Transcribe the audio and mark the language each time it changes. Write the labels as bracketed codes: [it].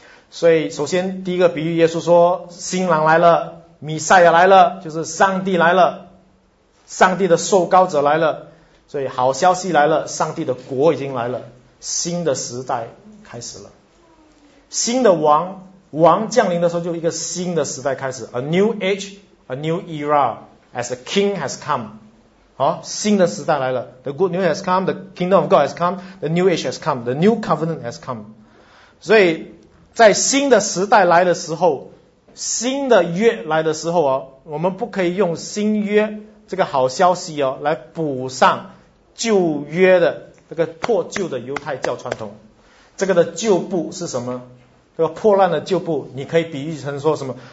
[zh] 所以首先第一个比喻，耶稣说新郎来了，弥赛亚来了，就是上帝来了，上帝的受膏者来了，所以好消息来了，上帝的国已经来了，新的时代开始了，新的王降临的时候就一个新的时代开始， [en] A new age, a new era, as the king has come。 [zh] 新的时代来了， [en] The good news has come, the kingdom of God has come, the new age has come, the new covenant has come。 [zh] 所以在新的时代来的时候，新的约来的时候我们不可以用新约这个好消息来补上旧约的这个破旧的犹太教传统。这个的旧布是什么？这个破烂的旧布你可以比喻成说什么？